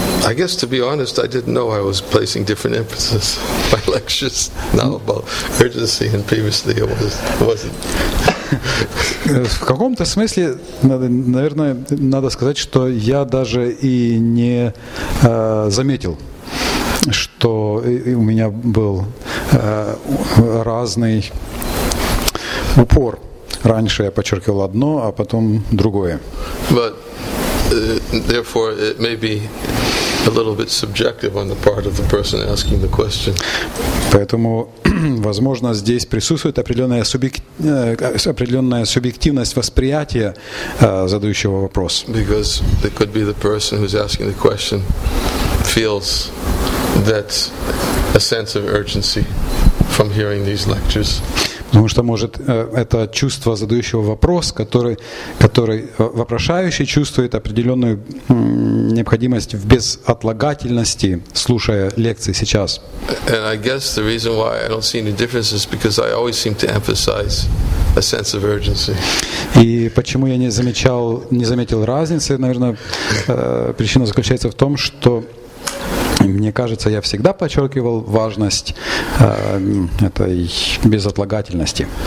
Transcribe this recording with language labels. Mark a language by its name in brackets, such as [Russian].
[English] I guess, to be honest, I didn't know I was placing different emphasis in my lectures now about urgency, and previously it wasn't. [Russian] В каком-то смысле, наверное, надо сказать, что я даже и не заметил, что у меня был разный упор. Раньше я подчеркивал одно, а потом другое. [English] But therefore it may be a little bit subjective on the part of the person asking the question. [Russian] Поэтому, возможно, здесь присутствует определенная субъективность восприятия задающего вопрос. [English] Because it could be the person who's asking the question feels that a sense of urgency from hearing these lectures. [Russian] Потому что, может, это чувство задающего вопрос, который вопрошающий чувствует определенную необходимость в безотлагательности, слушая лекции сейчас. [English] And I guess the reason why I don't see any difference is because I always seem to emphasize a sense of urgency. [Russian] И почему я не заметил разницы, наверное, причина заключается в том, что мне кажется, я всегда подчеркивал важность этой безотлагательности.